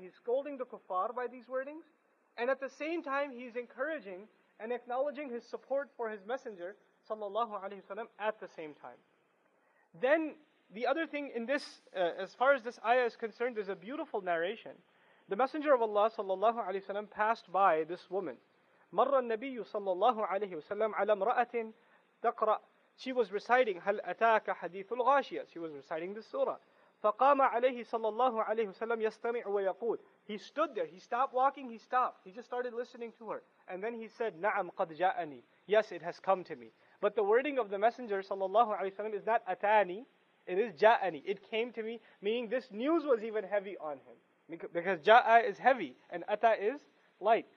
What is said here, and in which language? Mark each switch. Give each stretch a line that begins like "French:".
English: He's scolding the kuffar by these wordings, and at the same time, He's encouraging and acknowledging His support for His Messenger, sallallahu alayhi wa sallam, at the same time. Then, the other thing in this, as far as this ayah is concerned, there's a beautiful narration. The Messenger of Allah sallallahu alaihi wasallam passed by this woman.
Arabic: مَرَّ النَّبِيُّ sallallahu alaihi wasallam عَلَى مْرَأَةٍ تَقْرَأ.
English: She was reciting,
Arabic: هَلْ أَتَاكَ حَدِيثُ الْغَاشِيَةِ.
English: She was reciting this surah.
Arabic: فَقَامَ عَلَيْهِ sallallahu alaihi wasallam يَسْتَمِعُ وَيَقُولُ.
English: He stood there. He stopped walking. He stopped. He just started listening to her. And then he said,
Arabic: نَعَمْ قَدْ جَاءَنِي.
English: Yes, it has come to me. But the wording of the Messenger sallallahu alaihi wasallam is not أَتَانِي. It is جَاءَنِي. It came to me. Meaning this news was even heavy on him. Because ja'a is heavy and ata is light.